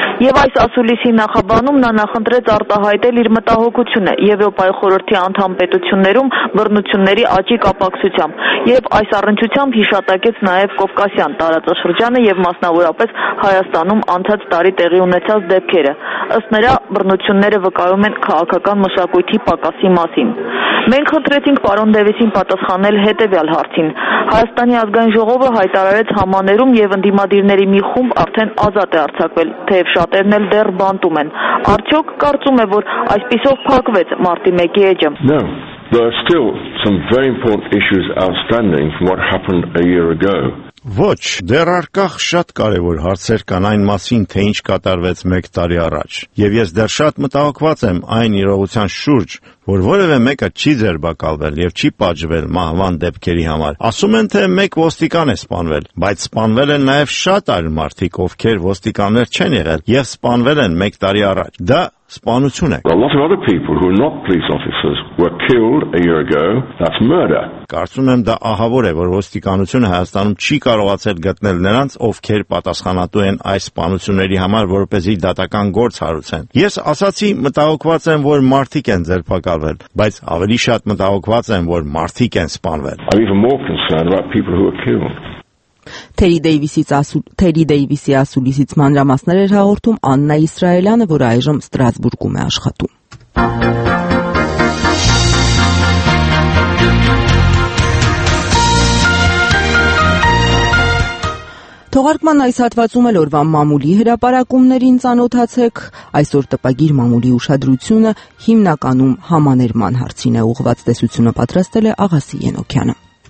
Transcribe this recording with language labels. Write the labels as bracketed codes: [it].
[hy] և այս ասուլիսի նախաբանում նա նախընտրեց արտահայտել իր մտահոգությունը Եվրոպայի խորհրդի անդամ պետություններում բռնությունների աճի կապակցությամբ, և այս առնչությամբ հիշատակեց նաև Կովկասյան տարածաշրջանը և մասնավորապես Հայաստանում անցած տարի տեղի ունեցած դեպքերը։ Ըստ նրա, բռնությունները վկայում են քաղաքական մշակույթի պակասի մասին։ Մենք հնդրեցինք պարոն Դեյվիսին պատասխանել հետևյալ հարցին. Հայաստանի ազգային ժողովը հայտարարեց համաներում և ընդդիմադիրների մի խումբ արդեն ազատ է արձակվել, թեև շատերն էլ դեռ բանտում են։ Արդյոք կարծում է, որ այսպիսով փակվեց մարտի 1-ի էջը։ [en] No, but still some very important issues outstanding from what happened a year ago. [hy] Ոչ, դեռ արկա շատ կարևոր հարցեր կան այն մասին, թե ինչ կատարվեց 1 տարի առաջ։ Եվ ես դեռ շատ մտահոգված եմ այն իրողության շուրջ, որ որևէ մեկը չի ձերբակալվել եւ չի պատժվել մահվան դեպքերի համար։ Ասում են, թե մեկ ոստիկան է սպանվել, բայց սպանվել են նաեւ շատ այլ մարդիկ, ովքեր ոստիկաններ չեն եղել եւ սպանվել են 1 տարի առաջ։ Դա սպանություն է։ [en] Well, a lot of other people who are not police officers were killed a year ago. That's murder. [hy] Կարծում եմ, դա ահավոր է, որ ոստիկանությունը Հայաստանում չի կարողացել գտնել նրանց, ովքեր պատասխանատու են այս սպանությունների համար, որպեսզի դատական գործ հարուցեն։ Ես ասացի, մտահոգված եմ, որ մարդիկ են ձերբակալվել, բայց ավելի շատ մտահոգված եմ, որ մարդիկ են սպանվել. [en] I'm even more concerned about people who are killed. [hy] Թերի Դեյվիսի ասուլիսից մանրամասներ էր հաղորդում Աննա Իսրայելյանը, որ այժմ Ստրասբուրգում է աշխատում։ Թողարկման այս հատվածում էլ օրվա մամուլի հրապարակումներին ծանոթացեք, այսօր տպագիր մամուլի ուշադրությունը հիմնականում համաներման հարցին է ուղղված, տեսությունը պատրաստել է Աղասի Ենոքյանը։